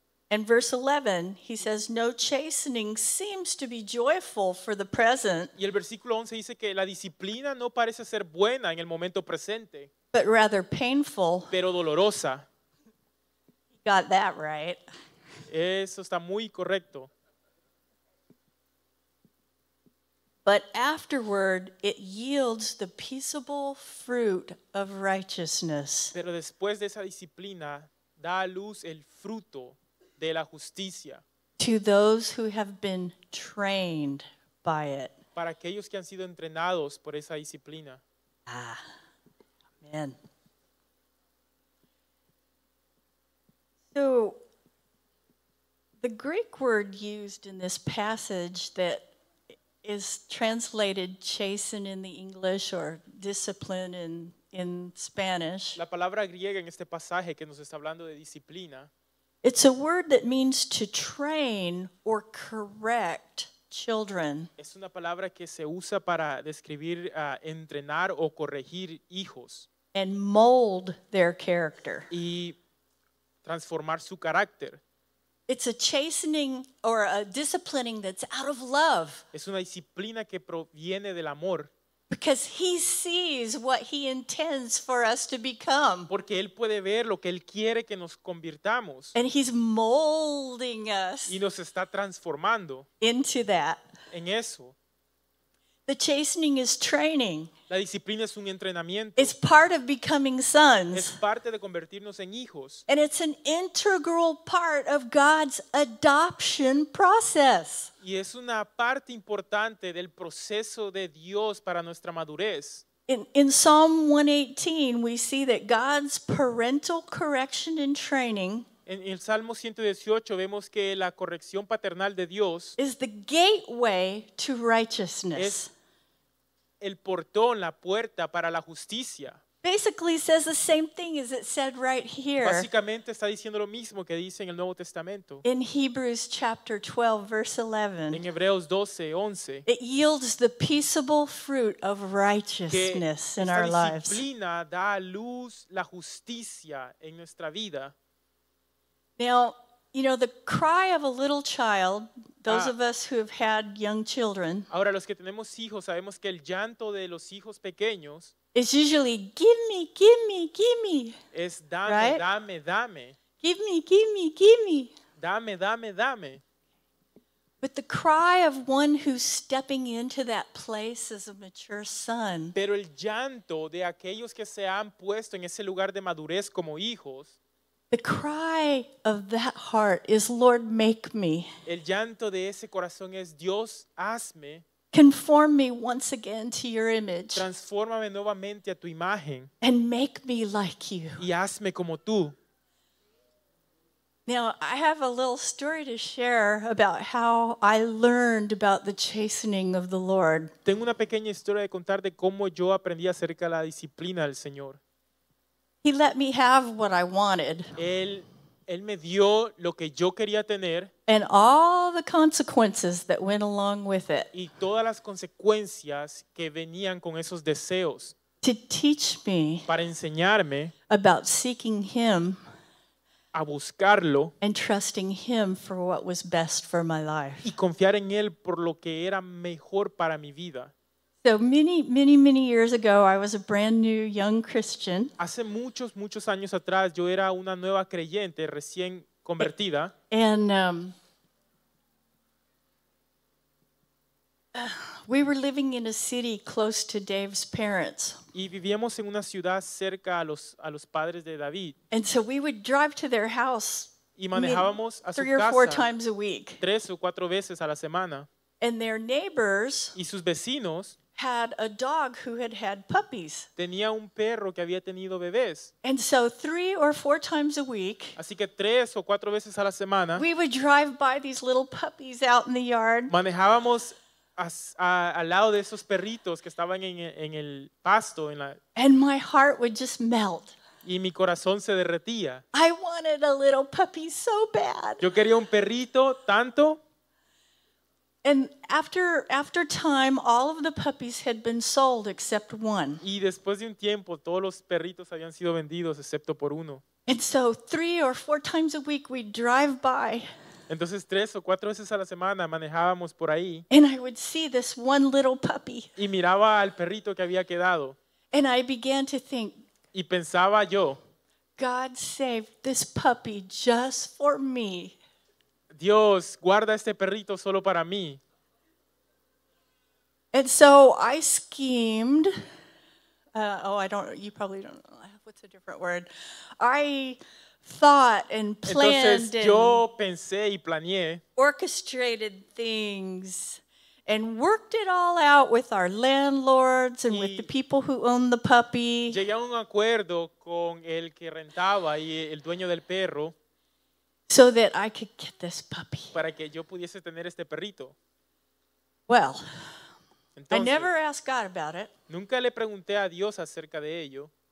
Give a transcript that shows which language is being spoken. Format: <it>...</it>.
<en>And verse 11 he says, "no chastening seems to be joyful for the present."</en> <es>Y el versículo 11 dice que la disciplina no parece ser buena en el momento presente,</es> <en>"but rather painful."</en> <es>Pero dolorosa.</es> <en>Got that right.</en> <es>Eso está muy correcto.</es> <en>"But afterward it yields the peaceable fruit of righteousness."</en> <es>Pero después de esa disciplina da a luz el fruto de la justicia.</es> <en>"To those who have been trained by it."</en> <es>Para aquellos que han sido entrenados por esa disciplina.</es> <en>Ah, amen. So, the Greek word used in this passage that is translated chasten in the English or discipline in Spanish.</en> <es>La palabra griega en este pasaje que nos está hablando de disciplina.</es> <en>It's a word that means to train or correct children.</en> <es>Es una palabra que se usa para describir entrenar o corregir hijos.</es> <en>And mold their character.</en> <es>Y transformar su carácter.</es> <en>It's a chastening or a disciplining that's out of love.</en> <es>Es una disciplina que proviene del amor.</es> <en>Because he sees what he intends for us to become.</en> <es>Porque él puede ver lo que él quiere que nos convirtamos.</es> <en>And he's molding us.</en> <es>Y nos está transformando.</es> <en>Into that.</en> <es>En eso.</es> <en>The chastening is training.</en> <es>La disciplina es un entrenamiento.</es> <en>It's part of becoming sons.</en> <es>Es parte de convertirnos en hijos.</es> <en>And it's an integral part of God's adoption process.</en> <es>Y es una parte importante del proceso de Dios para nuestra madurez.</es> <en>In Psalm 118, we see that God's parental correction and training</en> <es>en el Salmo 118 vemos que la corrección paternal de Dios</es> <en>is the gateway to righteousness.</en> <es>Es el portón, la puerta para la justicia.</es> <en>Basically says the same thing as it said right here.</en> <es>Básicamente está diciendo lo mismo que dice en el Nuevo Testamento.</es> <en>In Hebrews chapter 12, verse 11.</en> <es>En Hebreos 12, 11.</es> <en>It yields the peaceable fruit of righteousness in our lives.</en> <es>Esta disciplina da a luz la justicia en nuestra vida.</es> <en>Now, you know, the cry of a little child, those of us who have had young children,</en> <es>ahora los que tenemos hijos sabemos que el llanto de los hijos pequeños</es> <en>is usually, give me, give me, give me.</en> <es>Es dame,</es> <en>right?</en> <es>Dame, dame.</es> <en>Give me, give me, give me.</en> <es>Dame, dame, dame.</es> <en>But the cry of one who's stepping into that place as a mature son,</en> <es>pero el llanto de aquellos que se han puesto en ese lugar de madurez como hijos,</es> <en>the cry of that heart is, Lord, make me.</en> <es>El llanto de ese corazón es, Dios, hazme.</es> <en>Conform me once again to your image.</en> <es>Transfórmame nuevamente a tu imagen.</es> <en>And make me like you.</en> <es>Y hazme como tú.</es> <en>Now, I have a little story to share about how I learned about the chastening of the Lord.</en> <es>Tengo una pequeña historia de contar de cómo yo aprendí acerca de la disciplina del Señor.</es> <en>He let me have what I wanted.</en> <es>Él me dio lo que yo quería tener.</es> <en>And all the consequences that went along with it.</en> <es>Y todas las consecuencias que venían con esos deseos.</es> <en>To teach me.</en> <es>Para enseñarme.</es> <en>About seeking him.</en> <es>A buscarlo.</es> <en>And trusting him for what was best for my life.</en> <es>Y confiar en él por lo que era mejor para mi vida.</es> <en>So many, many, many years ago, I was a brand new young Christian.</en> <es>Hace muchos, muchos años atrás, yo era una nueva creyente, recién convertida.</es> <en>And we were living in a city close to Dave's parents.</en> <es>Y vivíamos en una ciudad cerca a los padres de David.</es> <en>And so we would drive to their house</en> <es>y manejábamos a</es> <en>three</en> <es>su</es> <en>or</en> <es>casa</es> <en>four times a week.</en> <es>Tres o cuatro veces a la semana.</es> <en>And their neighbors</en> <es>y sus vecinos</es> <en>had a dog who had had puppies.</en> <es>Tenía un perro que había tenido bebés.</es> <en>And so three or four times a week,</en> <es>así que tres o cuatro veces a la semana,</es> <en>we would drive by these little puppies out in the yard.</en> <es>Manejábamos al lado de esos perritos que estaban en el pasto.</es> <en>And my heart would just melt.</en> <es>Y mi corazón se derretía.</es> <en>I wanted a little puppy so bad.</en> <es>Yo quería un perrito tanto.</es> <en>And after time, all of the puppies had been sold except one.</en> <es>Y después de un tiempo, todos los perritos habían sido vendidos excepto por uno.</es> <en>And so three or four times a week we'd drive by.</en> <es>Entonces tres o cuatro veces a la semana manejábamos por ahí.</es> <en>And I would see this one little puppy.</en> <es>Y miraba al perrito que había quedado.</es> <en>And I began to think.</en> <es>Y pensaba yo.</es> <en>God saved this puppy just for me.</en> <es>Dios, guarda este perrito solo para mí.</es> <en>And so I schemed. You probably don't know. What's a different word? I thought and planned.</en> <es>Entonces, yo pensé y planeé.</es> <en>Orchestrated things. And worked it all out with our landlords and with the people who own the puppy.</en> <es>Llegué a un acuerdo con el que rentaba y el dueño del perro.</es> <en>So that I could get this puppy.</en> <es>Para que yo pudiese tener este perrito.</es> <en>Well,</en> <es>entonces,</es> <en>I never asked God about it.</en> <es>Nunca le pregunté a Dios acerca de ello.</es>